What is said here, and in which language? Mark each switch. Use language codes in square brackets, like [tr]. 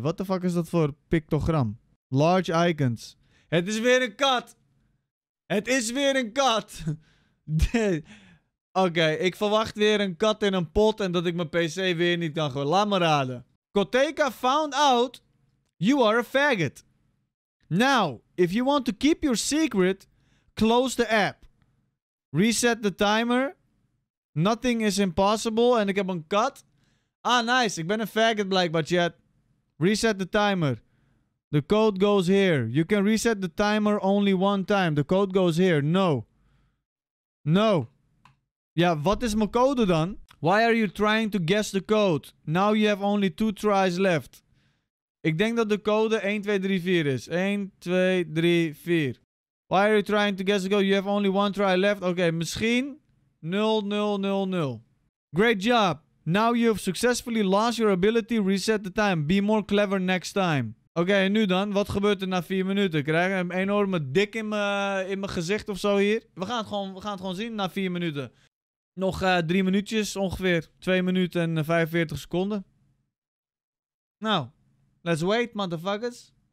[en] What the fuck is [nl] dat voor [en] pictogram? Large icons. [nl] Het is weer een kat. Het is weer een kat. Oké, ik verwacht weer een kat in een pot en dat ik mijn PC weer niet kan gooien. Laat me raden. [en] Koteka found out you are a faggot. Now, if you want to keep your secret, close the app. Reset the timer. Nothing is impossible. [nl] En ik heb een kat. Ah, nice. Ik ben een faggot blijkbaar, chat. [en] Reset the timer. The code goes here. You can reset the timer only one time. The code goes here. No. No. [nl] Ja, wat is mijn code dan? [en] Why are you trying to guess the code? Now you have only 2 tries left. [nl] Ik denk dat de code 1, 2, 3, 4 is. 1, 2, 3, 4. [en] Why are you trying to guess the code? You have only 1 try left. [nl] Oké, misschien 0000. [en] Great job. Now you've successfully lost your ability, reset the time. Be more clever next time. [nl] Oké, en nu dan? Wat gebeurt er na 4 minuten? Krijg ik een enorme dik in mijn gezicht of zo hier? We gaan het gewoon zien na 4 minuten. Nog 3 minuutjes ongeveer. 2 minuten en 45 seconden. Nou, [en] let's wait, motherfuckers.